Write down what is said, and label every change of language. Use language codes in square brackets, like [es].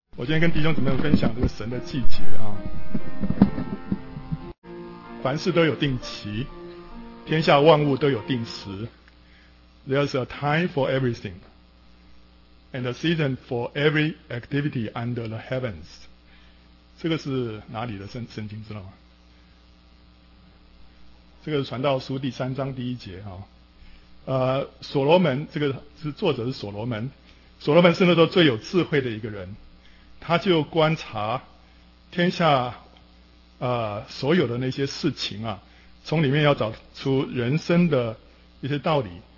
[zh] 我今天跟弟兄姊妹分享这个神的季节啊，凡事都有定期，天下万物都有定时。 [en] There's a time for everything, and a season for every activity under the heavens. [zh] 这个是哪里的圣经知道吗？这个是传道书第三章第一节啊。所罗门，这个是作者是所罗门，所罗门是那时候最有智慧的一个人。他就观察天下所有的那些事情啊，从里面要找出人生的一些道理。